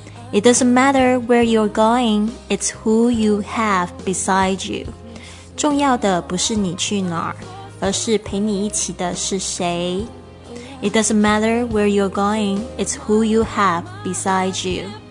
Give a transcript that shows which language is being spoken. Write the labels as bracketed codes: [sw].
[en] It doesn't matter where you are going, it's who you have beside you. [zh] 重要的不是你去哪儿，而是陪你一起的是谁。 [en] It doesn't matter where you're going, it's who you have beside you.